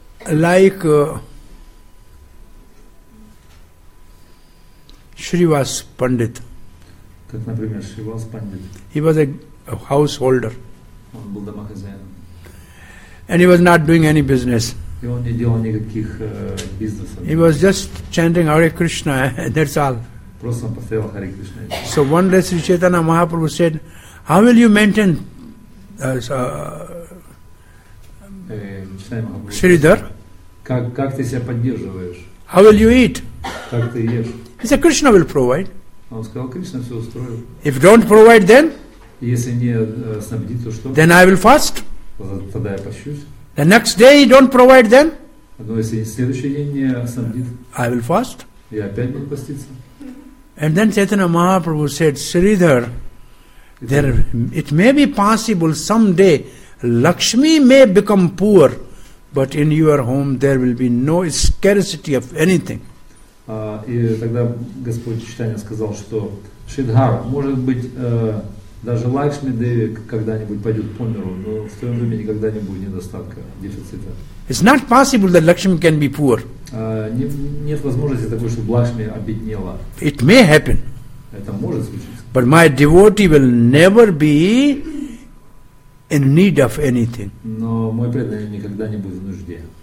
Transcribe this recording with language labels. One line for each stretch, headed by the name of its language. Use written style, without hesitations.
English: Like Srivas Pandit.
Russian: Как, например, Srivas Pandit.
English: He was a householder.
Russian: Он был домохозяин.
English: And he was not doing any business.
Russian: И он не делал никаких бизнесов.
English: He was just chanting Hare Krishna, that's all.
Russian: Просто повторял Hare Krishna.
English: So one day Sri Chaitanya Mahaprabhu said, how will you maintain Sridhar?
Russian: Как ты себя поддерживаешь?
English: How will you eat?
Russian: Как ты ешь?
English: He said, Krishna will provide.
Russian: Он сказал, Кришна все устроил.
English: If don't provide, then?
Russian: Если не снабдит, то что?
English: Then I will fast.
Russian: Тогда я пощусь.
English: The next day he don't provide, then?
Russian: Но если следующий день не снабдит,
English: I will fast.
Russian: Я опять буду поститься.
English: And then Chaitanya Mahaprabhu said, Sridhar, it may be possible someday Lakshmi may become poor, but in your home there will be no scarcity of anything.
Russian: И тогда Господь Читания сказал, что Шридхар, может быть, даже Лакшми Деви когда-нибудь пойдет по миру, но в твоем доме никогда не будет недостатка, дефицита.
English: It's not possible that Lakshmi can be poor.
Russian: Нет возможности такой, чтобы Лакшми обеднела.
English: It may happen.
Russian: Это может случиться.
English: But my devotee will never be in need of anything.
Russian: Но мой преданный никогда не будет в нужде.